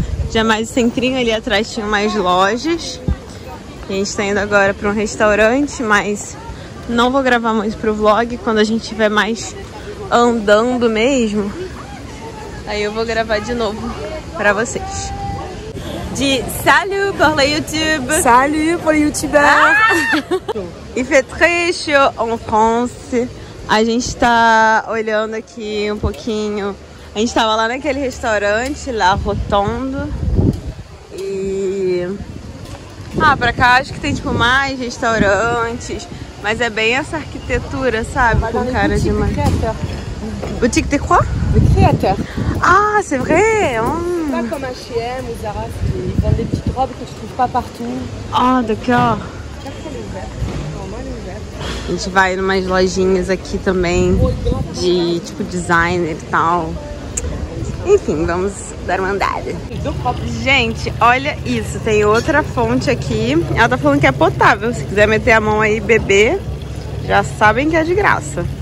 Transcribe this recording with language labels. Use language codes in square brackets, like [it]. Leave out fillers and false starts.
[pt] Já mais centrinho ali atrás tinha mais lojas. A gente tá indo agora pra um restaurante, mas não vou gravar muito pro vlog. Quando a gente estiver mais andando mesmo, aí eu vou gravar de novo pra vocês. [fr] De salut pour le YouTube! Salut pour le YouTuber! Il fait très chaud en France. [pt] A gente tá olhando aqui um pouquinho. A gente tava lá naquele restaurante, La Rotonde. E... ah, pra cá acho que tem, tipo, mais restaurantes. Mas é bem essa arquitetura, sabe? Com cara de... mais. [fr] Boutique de quoi? De créateur. Ah, c'est vrai! Pas comme H&M ou Zara, ils vendent des petites robes que tu trouves pas partout. Ah, d'accord. [pt] A gente vai em umas lojinhas aqui também, de, tipo, designer e tal. Enfim, vamos dar uma andada. Gente, olha isso. Tem outra fonte aqui. Ela tá falando que é potável. Se quiser meter a mão aí e beber, já sabem que é de graça.